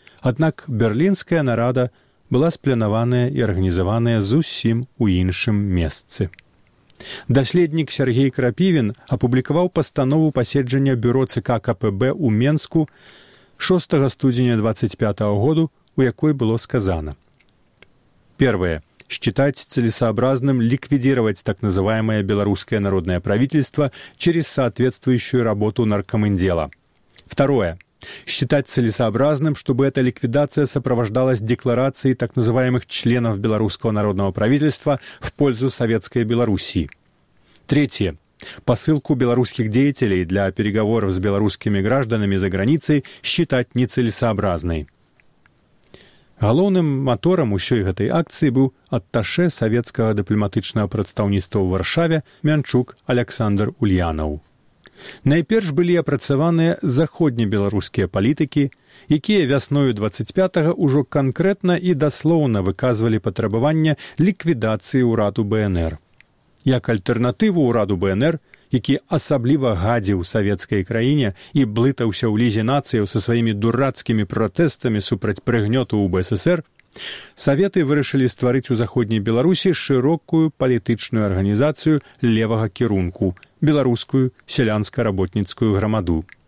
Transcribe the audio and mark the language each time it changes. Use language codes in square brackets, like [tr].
[be] Аднак берлінская нарада была спланаваная і арганізаваная зусім у іншым месцы. Даследнік Сергей Крапівін апублікаваў пастанову паседжання бюро ЦК КПБ ў Менску 6 студзеня 25 году, у якой было сказана. [ru] Первое. Считать целесообразным ликвидировать так называемое белорусское народное правительство через соответствующую работу наркомандела. Второе. Считать целесообразным, чтобы эта ликвидация сопровождалась декларацией так называемых членов белорусского народного правительства в пользу Советской Белоруссии. Третье. Посылку белорусских деятелей для переговоров с белорусскими гражданами за границей считать нецелесообразной. [be] Галоўным мотором ўсёй гэтай [ru] акции был атташе советского дипломатичного представительства в Варшаве Мянчук Александр Ульянов. [be] Найперш былі апрацаваныя заходнебеларускія палітыкі, якія вясною 25-га ўжо канкрэтна і даслоўна выказвалі патрабаванне ліквідацыі ўраду БНР. Як альтэрнатыву ўраду БНР, які асабліва гадзіў савецкай краіне і блытаўся ў лізе нацыяў са сваімі дурацкімі пратэстамі супраць прыгнёту ў БССР, саветы вырашылі стварыць у заходняй Беларусі шырокую палітычную арганізацыю левага кірунку – беларускую сялянска-работніцкую грамаду.